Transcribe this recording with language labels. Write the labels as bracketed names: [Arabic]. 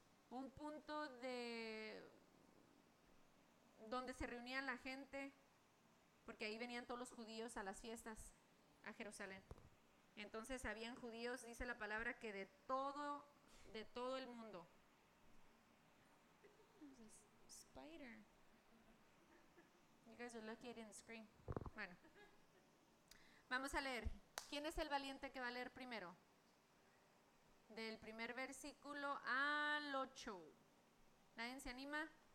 [Spanish] Un punto de donde se reunía la gente, porque ahí venían todos los judíos a las fiestas a Jerusalén. Entonces habían judíos, dice la palabra, que de todo el mundo. [English] Spider. You guys are lucky I didn't scream. [Spanish] Bueno, vamos a leer. ¿Quién es el valiente que va a leer primero? Del primer versículo al 8. ¿Nadie se anima?